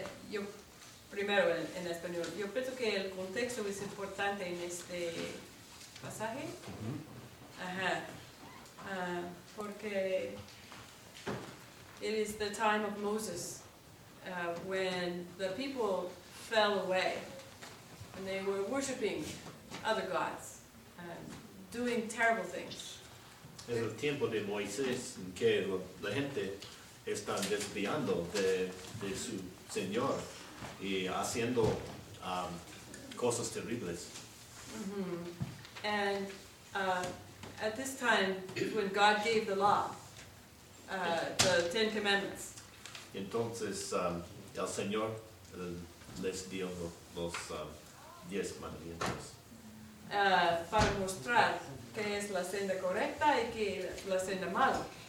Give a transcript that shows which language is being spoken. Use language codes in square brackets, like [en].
[es] Yo, primero en español, yo pienso que el contexto es importante en este pasaje. Ajá. Porque... [en] It is the time of Moses when the people fell away and they were worshiping other gods, doing terrible things. [es] Es el tiempo de Moisés en que la gente está desviando de su Señor y haciendo cosas terribles. Mm-hmm. [en] And at this time, when God gave the law, the Ten Commandments. [es] Entonces, el Señor les dio los diez mandamientos. Para mostrar qué es la senda correcta y qué es la senda mala.